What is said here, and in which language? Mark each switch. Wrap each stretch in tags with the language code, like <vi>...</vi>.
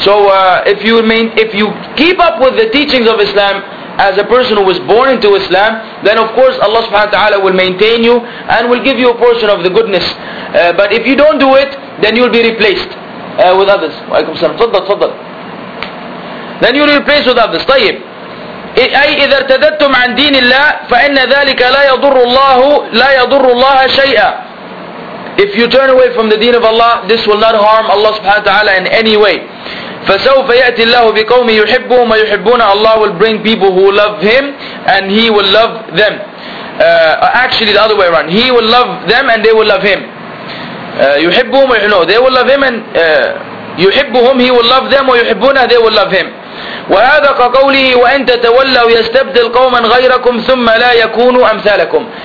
<en>So if you keep up with the teachings of Islam, as a person who was born into Islam, then of course Allah subhanahu wa ta'ala will maintain you and will give you a portion of the goodness. But if you don't do it, then you'll be replaced with others. Wa alaykum salam. Tfaddal, tfaddal. Then you'll be replaced with others.</en> <ar>طيب. أي إذا ارتدتم عن دين الله فإن ذلك لا يضر الله شيئا.</ar> <en>If you turn away from the deen of Allah, this will not harm Allah subhanahu wa ta'ala in any way.</en> <ar>فسوف يأتي الله بقوم يحبهم ويحبون.</ar> <en>Allah will bring people who love Him and He will love them. Actually the other way around, He will love them and they will love Him.</en> <ar>يحبهم ويحبون,</ar> <en>they will love Him, and يحبهم, He will love them, ويحبون, they will love Him.</en> <ar>وهذا كقوله وأن تتولوا يستبدل قوما غيركم ثم لا يكونوا أمثالكم.</ar>